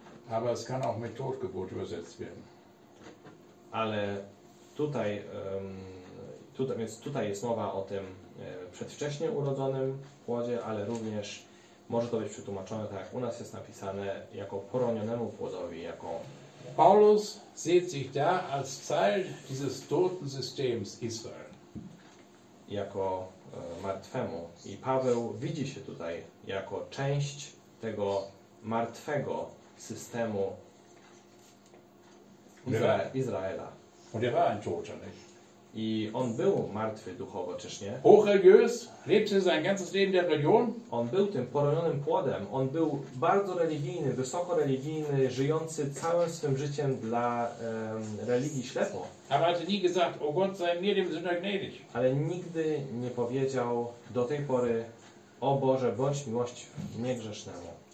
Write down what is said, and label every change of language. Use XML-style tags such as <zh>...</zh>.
<de>Aber es kann auch mit Totgeburt übersetzt werden.</de> <pl>Ale tutaj, tutaj, więc tutaj jest mowa o tym przedwcześnie urodzonym płodzie, ale również może to być przetłumaczone, tak jak u nas jest napisane, jako poronionemu płodowi, jako...</pl> <de>Paulus sieht sich da als Teil dieses toten Systems Israel.</de> <pl>Jako martwemu. I Paweł widzi się tutaj jako część tego martwego systemu Izraela.</pl> <de>Und er war ein Toter, nicht?</de> <pl>I on był martwy duchowo, czyż nie?</pl> <de>Hochreligiös, lebte sein ganzes Leben der Religion.</de> <pl>On był tym poronionym płodem. On był bardzo religijny, wysoko religijny, żyjący całym swym życiem dla religii ślepo.</pl> <de>Aber hatte nie gesagt, oh Gott, sei mir dem Sünder gnädig.</de> <pl>Ale nigdy nie powiedział do tej pory, o Boże, bądź miłościwy mnie grzesznemu.</pl>